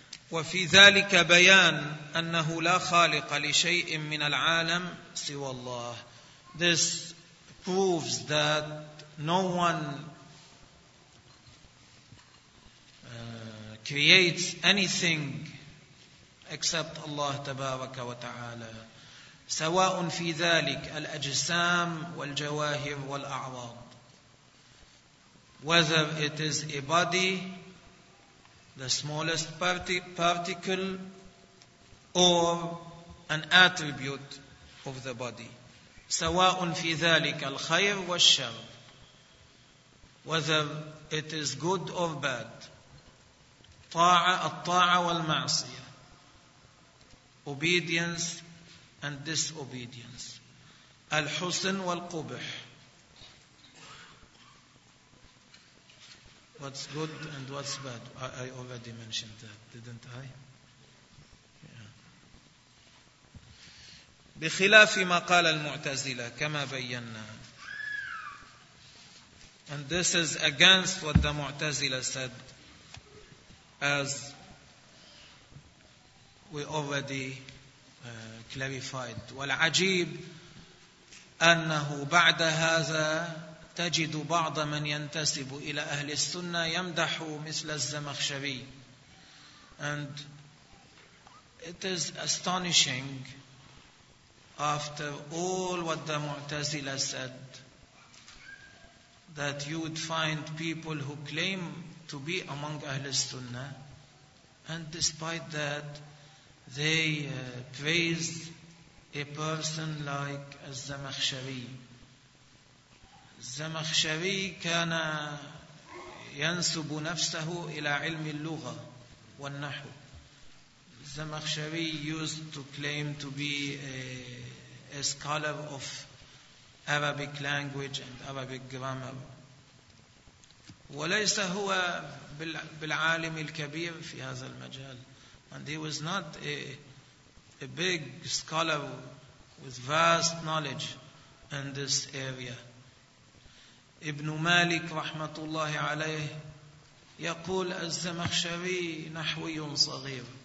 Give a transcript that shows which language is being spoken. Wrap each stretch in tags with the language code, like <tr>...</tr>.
<ar>وفي ذلك بيان أنه لا خالق لشيء من العالم سوى الله.</ar> <en>This proves that no one creates anything except Allah</en> <ar>تبارك وتعالى. سواء في ذلك الأجسام والجواهر والأعراض.</ar> <en>Whether it is a body, the smallest particle, or an attribute of the body.</en> <ar>سَوَاءٌ فِي ذَلِكَ الْخَيْرُ وَالشَّرُ.</ar> <en>Whether it is good or bad.</en> <ar>الطَّاعَ وَالْمَعْصِيَ.</ar> <en>Obedience and disobedience.</en> <ar>الْحُسْنُ وَالْقُبْحُ.</ar> <en>What's good and what's bad? I already mentioned that, didn't I?</en> <ar>بخلاف ما قال المعتزلة كما بينا.</ar> <en>And this is against what the Mu'tazila said, as we already clarified.</en> <ar>والعجيب أنه بعد هذا تجد بعض من ينتسب إلى أهل السنة يمدح مثل الزمخشري.</ar> <en>And it is astonishing, after all what the Mu'tazila said, that you would find people who claim to be among أهل السنة, and despite that they praise a person like الزمخشري.</en> <ar>الزمخشري كان ينسب نفسه إلى علم اللغة والنحو.</ar> <en>الزمخشري used to claim to be a scholar of Arabic language and Arabic grammar.</en> <ar>وليس هو بالعالم الكبير في هذا المجال.</ar> <en>And he was not a big scholar with vast knowledge in this area.</en> <ar>ابن مالك رحمة الله عليه يقول الزمخشري نحوي صغير.</ar>